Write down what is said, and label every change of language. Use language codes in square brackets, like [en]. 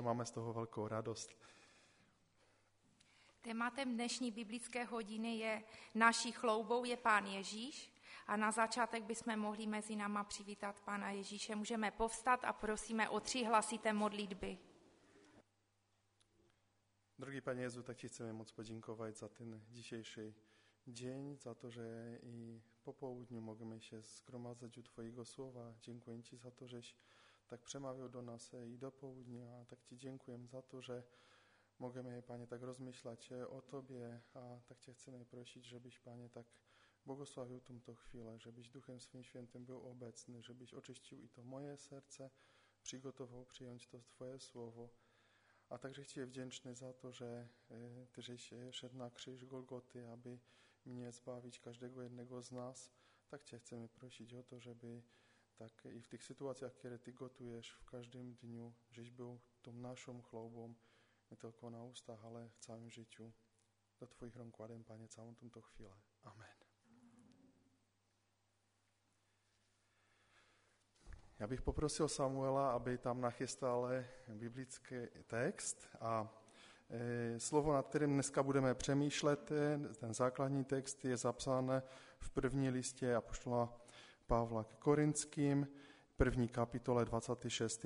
[cs] Máme z toho velkou radost. Tématem dnešní biblické hodiny je Naší chloubou je Pán Ježíš. A na začátek bychom mohli mezi náma přivítat Pána Ježíše. Můžeme povstat a prosíme o tři hlasité modlitby. Drogý Pane Ježíši, tak ti chceme moc poděkovat za ten [pl] dzisiejší dzień, za to, že i po południu mogłem się zgromadzać u Twojego słowa. Dziękuję Ci za to, żeś tak przemawiał do nas i do południa. A tak Ci dziękuję za to, że mogłem, Panie, tak rozmyślać o Tobie. A tak Cię chcemy prosić, żebyś, Panie, tak błogosławił tą chwilę, żebyś Duchem Swym Świętym był obecny, żebyś oczyścił i to moje serce, przygotował przyjąć to Twoje słowo. A także chcę wdzięczny za to, że Ty żeś szedł na krzyż Golgoty, aby mnie zbawić, każdego jednego z nas. Tak Cię chcemy prosić o to, żeby tak i w tych sytuacjach, które Ty gotujesz w każdym dniu, żeś był tą naszą chlubą, nie tylko na ustach, ale w całym życiu. Do Twoich rąk kładę, Panie, całą tą to chwilę. Amen. [cs] Já bych poprosil Samuela, aby tam nachystal biblický text a slovo, nad kterým dneska budeme přemýšlet, ten základní text je zapsán v první listě apoštola Pavla k Korinským, první kapitole 26.